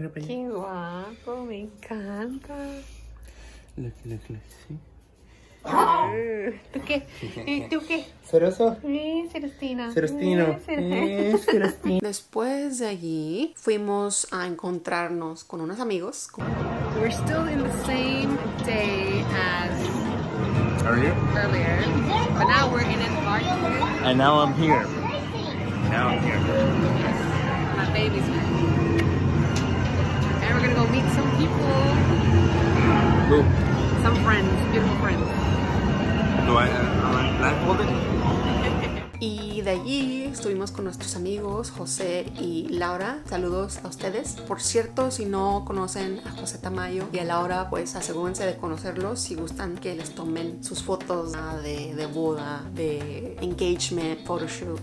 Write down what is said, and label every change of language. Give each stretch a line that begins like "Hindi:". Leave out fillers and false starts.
Spanish: repellido. ¡Qué guapo! ¡Me encanta! Lo, sí. ¿Tú qué? ¿Tú qué? ¿Ceroso? Sí, Celestino. Celestino. Después de allí fuimos a encontrarnos con unos amigos.
English: We're still in the same day as earlier. But now we're in an art room. And now I'm here. Yes. My baby's here. And we're gonna go meet some people. Who? Some friends, beautiful friends.
Spanish: Y de allí estuvimos con nuestros amigos José y Laura. Saludos a ustedes. Por cierto, si no conocen a José Tamayo y a Laura, pues asegúrense de conocerlos si gustan que les tomen sus fotos de boda, de engagement, photoshoot.